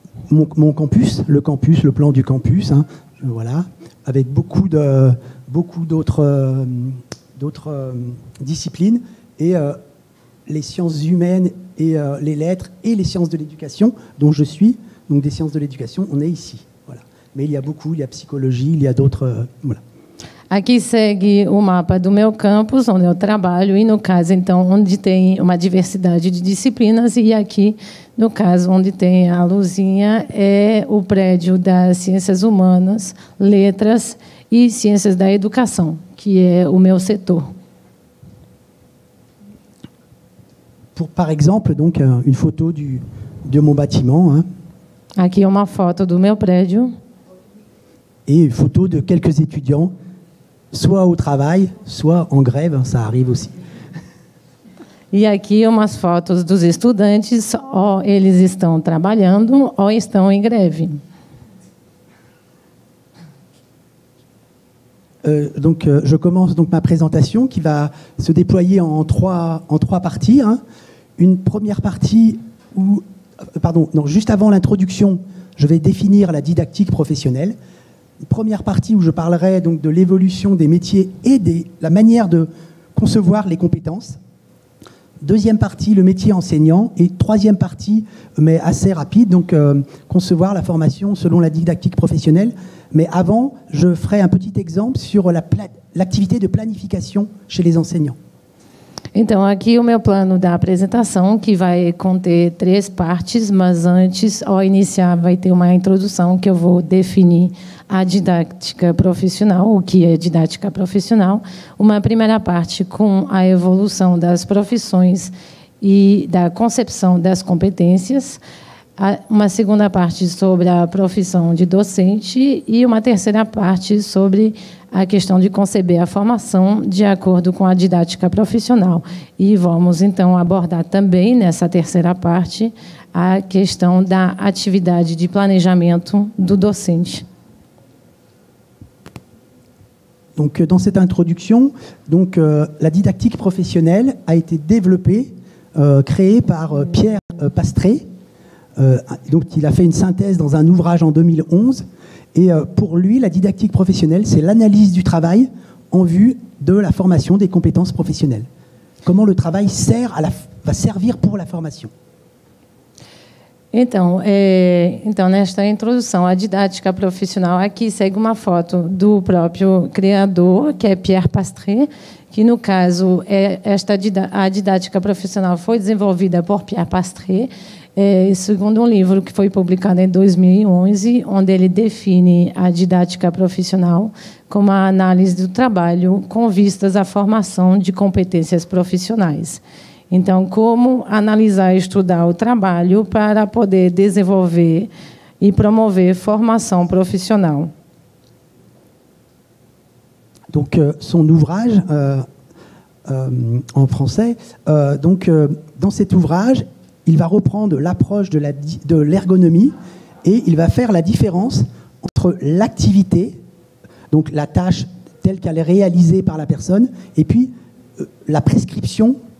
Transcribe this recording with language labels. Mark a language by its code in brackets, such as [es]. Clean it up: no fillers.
[fr] Mon campus, le campus, le plan du campus, hein, voilà, avec beaucoup d'autres disciplines et les sciences humaines et les lettres et les sciences de l'éducation dont je suis. Donc des sciences de l'éducation, on est ici, voilà. Mais il y a beaucoup, il y a psychologie, il y a d'autres, voilà. [pt] Aqui segue o mapa do meu campus, onde eu trabalho, e no caso, então, onde tem uma diversidade de disciplinas, e aqui, no caso, onde tem a luzinha, é o prédio das ciências humanas, letras e ciências da educação, que é o meu setor. [fr] Pour, par exemple, donc, une photo de mon bâtiment, hein. [pt] Aqui é uma foto do meu prédio. E foto de [fr] quelques étudiants, soit au travail, soit en grève, ça arrive aussi. [pt] E aqui umas fotos dos estudantes, ou eles estão trabalhando ou estão em greve. [fr] Je commence donc ma présentation qui va se déployer en trois parties. Hein. Une première partie où, juste avant l'introduction, je vais définir la didactique professionnelle. Une première partie où je parlerai donc de l'évolution des métiers et de la manière de concevoir les compétences. Deuxième partie, le métier enseignant. Et troisième partie, mais assez rapide, concevoir la formation selon la didactique professionnelle. Mais avant, je ferai un petit exemple sur l'activité de planification chez les enseignants. [pt] Então, aqui o meu plano da apresentação, que vai conter três partes, mas antes, ao iniciar, vai ter uma introdução que eu vou definir a didática profissional, o que é didática profissional. Uma primeira parte com a evolução das profissões e da concepção das competências. Uma segunda parte sobre a profissão de docente e uma terceira parte sobre a questão de conceber a formação de acordo com a didática profissional. E vamos, então, abordar também, nessa terceira parte, a questão da atividade de planejamento do docente. [fr] Donc, dans cette introduction, la didactique professionnelle a été développée, créée par Pierre Pastret. Donc, il a fait une synthèse dans un ouvrage en 2011. Et pour lui, la didactique professionnelle, c'est l'analyse du travail en vue de la formation des compétences professionnelles. Comment le travail va servir pour la formation? [pt] Então, nesta introdução, a didática profissional, aqui segue uma foto do próprio criador, que é Pierre Pastret, que no caso, a didática profissional foi desenvolvida por Pierre Pastret, segundo livro que foi publicado em 2011, onde ele define a didática profissional como a análise do trabalho com vistas à formação de competências profissionais. Então, como analisar e estudar o trabalho para poder desenvolver e promover formação profissional? [fr] Donc, son ouvrage en français. Dans cet ouvrage, il va reprendre l'approche de l'ergonomie et il va faire la différence entre l'activité, donc la tâche telle qu'elle est réalisée par la personne, et puis la prescription.